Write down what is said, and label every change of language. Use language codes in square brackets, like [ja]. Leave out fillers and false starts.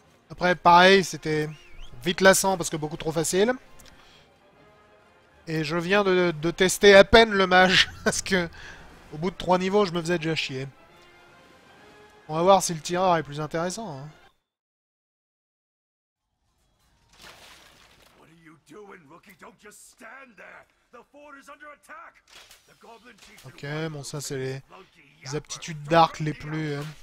[fr] Après, pareil, c'était vite lassant parce que beaucoup trop facile. Et je viens de tester à peine le mage parce que, au bout de 3 niveaux, je me faisais déjà chier. On va voir si le tireur est plus intéressant. Hein. [en] What are you doing, rookie? Don't just stand there. The fort is under attack. The goblin chief. [fr] Ok, bon, ça, c'est les aptitudes d'arc les plus.